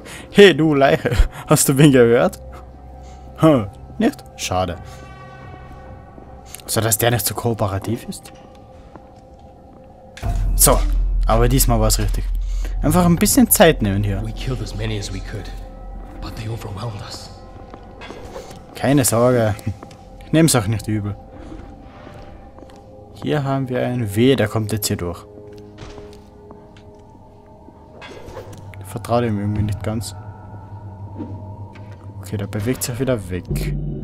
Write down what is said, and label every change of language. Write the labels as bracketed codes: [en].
[de] Hey, du Leiche. Hast du wen gehört? Huh, nicht? Schade. So, dass der nicht so kooperativ ist. So, aber diesmal war es richtig. Einfach ein bisschen Zeit nehmen hier. [en] We killed as many as we could, but they overwhelmed us. [de] Keine Sorge. Ich nehme es auch nicht übel. Hier haben wir einen W, der kommt jetzt hier durch. Ich vertraue ihm irgendwie nicht ganz. Okay, der bewegt sich wieder weg.